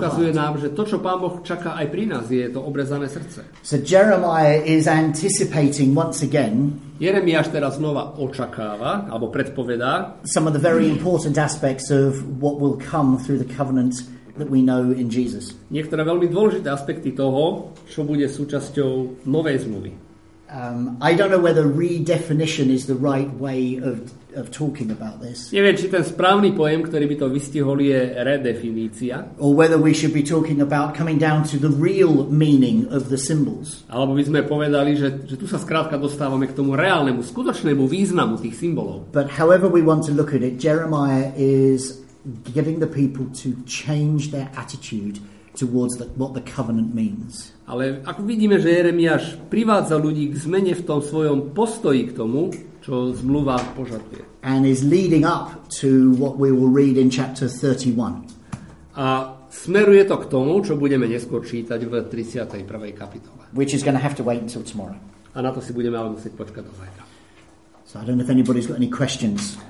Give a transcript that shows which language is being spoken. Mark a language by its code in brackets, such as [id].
[en] the heart. [sk] A ukazuje nám, že to, čo Pán Boh čaká aj pri nás, je to obrezané srdce. [en] So Jeremiah is anticipating once again. [sk] Jeremiáš teraz znova očakáva, alebo predpovedá. [en] Some of the very important aspects of what will come through the covenant that we know in Jesus. [sk] Niektoré veľmi dôležité aspekty toho, čo bude súčasťou novej zmluvy. [en] I don't know whether redefinition is the right way of talking about this. [sk] Neviem, či ten správny pojem, ktorý by to vystihol, je redefinícia. [en] Or whether we should be talking about coming down to the real meaning of the symbols. [sk] Alebo by sme povedali, že tu sa skrátka dostávame k tomu reálnemu, skutočnému významu tých symbolov. [en] But however we want to look at it, Jeremiah is getting the people to change their attitude towards what the covenant means. [sk] Ale ako vidíme, že Jeremiáš privádza ľudí k zmene v tom svojom postoji k tomu, čo zmluva požaduje. [en] And is leading up to what we will read in chapter 31. [sk] A smeruje to k tomu, čo budeme neskôr čítať v 31. kapitole. [en] Which is going to have to wait until tomorrow. [sk] A na to si budeme ale musieť počkať do zajtra. [en] So I don't know if anybody's got any questions.